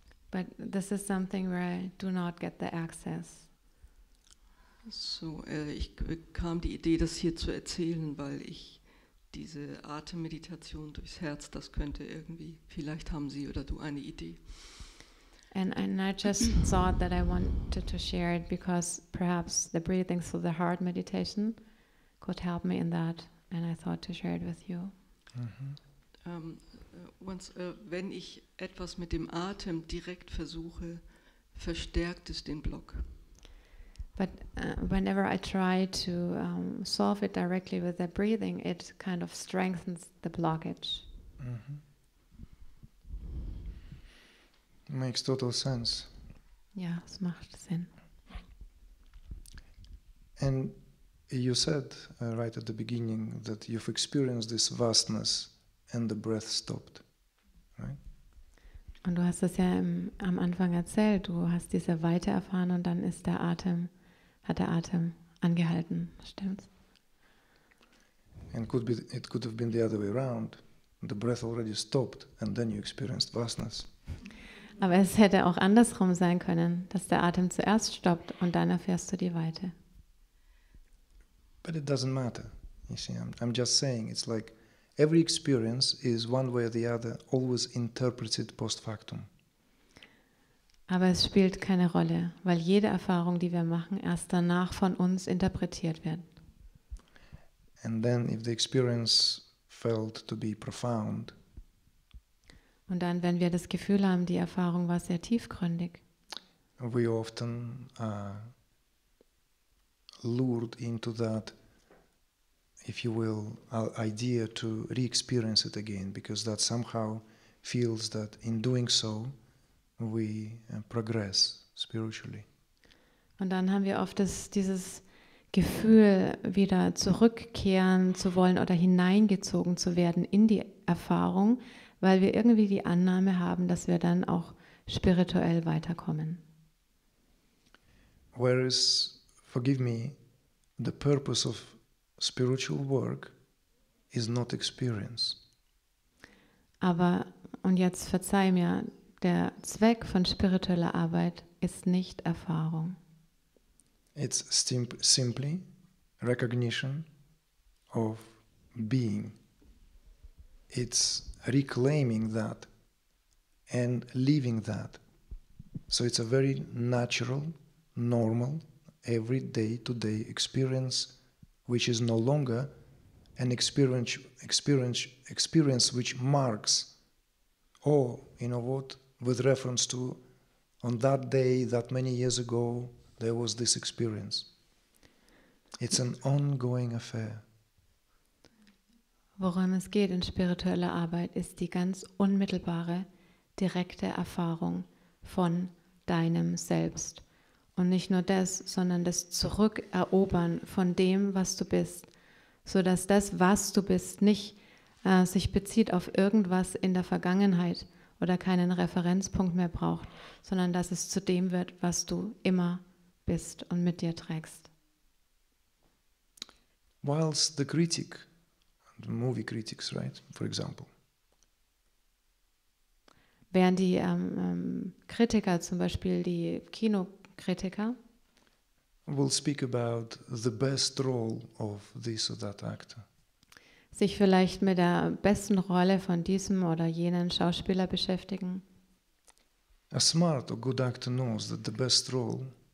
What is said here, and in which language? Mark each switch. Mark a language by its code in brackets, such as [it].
[en] But this is something where I do not get the access. [de] So, ich bekam die Idee, das hier zu erzählen, weil ich diese Atemmeditation durchs Herz, das könnte irgendwie, vielleicht haben Sie oder du eine Idee. [en] And I just thought that I wanted to share it, because perhaps the breathing through the heart meditation could help me in that, and I thought to share it with you. Mm-hmm. [de] Wenn ich etwas mit dem Atem direkt versuche, verstärkt es den Block. [en] But whenever I try to solve it directly with the breathing, it kind of strengthens the blockage. Mm-hmm. Makes total sense. [de] Yeah, es macht Sinn. [en] And you said right at the beginning that you've experienced this vastness and the breath stopped, right? [de] Und du hast das ja am Anfang erzählt. Du hast diese Weite erfahren und dann ist der Atem, hat der Atem angehalten, stimmt's? [en] And it could have been the other way around. The breath already stopped and then you experienced vastness. [de] Aber es hätte auch andersrum sein können, dass der Atem zuerst stoppt und dann erfährst du die Weite. [en] But it doesn't matter. You see, I'm just saying, it's like every experience is one way or the other always interpreted post factum. [de] Aber es spielt keine Rolle, weil jede Erfahrung, die wir machen, erst danach von uns interpretiert wird. [en] And then if the experience felt to be profound, [de] und dann, wenn wir das Gefühl haben, die Erfahrung war sehr tiefgründig, [en] we often lured into that, if you will, idea to re-experience it again, because that somehow feels that in doing so we progress spiritually. [de] Und dann haben wir oft dieses Gefühl, wieder zurückkehren zu wollen oder hineingezogen zu werden in die Erfahrung, weil wir irgendwie die Annahme haben, dass wir dann auch spirituell weiterkommen. [en] Whereas, forgive me, the purpose of spiritual work is not experience. [de] Aber, und jetzt verzeih mir, der Zweck von spiritueller Arbeit ist nicht Erfahrung. [en] It's simply recognition of being. It's reclaiming that and living that. So it's a very natural, normal, everyday to day experience, which is no longer an experience which marks, oh, you know what, with reference to on that day, that many years ago, there was this experience. It's an ongoing affair. [de] Worum es geht in spiritueller Arbeit, ist die ganz unmittelbare, direkte Erfahrung von deinem Selbst. Und nicht nur das, sondern das Zurückerobern von dem, was du bist, so dass das, was du bist, nicht sich bezieht auf irgendwas in der Vergangenheit oder keinen Referenzpunkt mehr braucht, sondern dass es zu dem wird, was du immer bist und mit dir trägst. [en] Whilst the critic, the movie critics, right, for example. [de] Während die Kritiker, zum Beispiel die Kinokritiker, [en] will speak about the best role of this or that actor. [de] Sich vielleicht mit der besten Rolle von diesem oder jenen Schauspieler beschäftigen. [en] A smart or good actor knows that the best role.